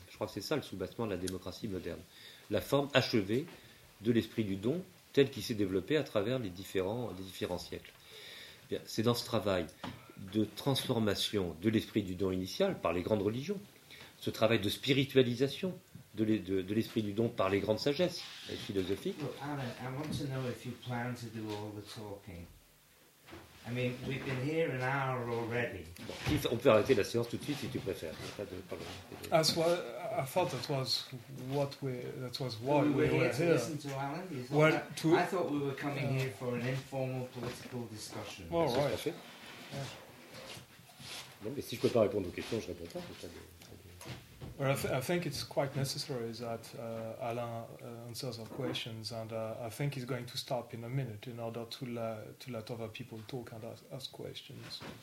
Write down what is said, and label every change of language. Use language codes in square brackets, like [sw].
[fr] Je crois que c'est ça le soubassement de la démocratie moderne. La forme achevée de l'esprit du don, tel qu'il s'est développé à travers les différents siècles. Bien, c'est dans ce travail de transformation de l'esprit du don initial par les grandes religions, ce travail de spiritualisation de l'esprit du don par les grandes sagesses et philosophiques. [en] Well, Anna, I want to know if you plan to do all the talking. I mean, we've been here an hour already. [fr] Bon, on peut arrêter la séance tout de suite si tu préfères. Pas de problème. [en] I thought we were coming here for an informal political discussion. All right. [fr] Non, mais si je ne peux pas répondre aux questions, je ne réponds pas. [en] I think it's quite necessary that Alain answers our questions, and I think he's going to stop in a minute in order to let other people talk and ask questions.